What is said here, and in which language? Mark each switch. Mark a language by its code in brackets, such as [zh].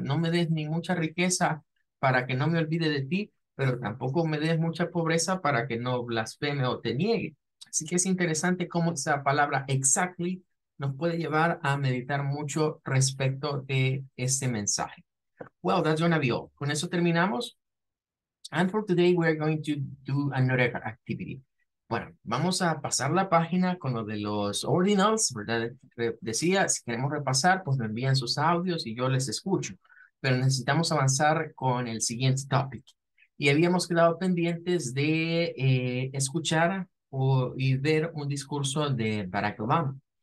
[es] No me des ni mucha riqueza para que no me olvide de ti, pero tampoco me des mucha pobreza para que no blasfeme o te niegue. Así que es interesante cómo esa palabra exactly nos puede llevar a meditar mucho respecto de este mensaje. [en] Well, that's gonna be all. [es] Con eso terminamos. [en] And for today, we're going to do another activity. [es] Bueno, vamos a pasar la página con lo de los ordinals, ¿verdad? Decía, si queremos repasar, pues me envían sus audios y yo les escucho. Pero necesitamos avanzar con el siguiente topic. Y habíamos quedado pendientes de escuchar y ver un discurso de Barack Obama.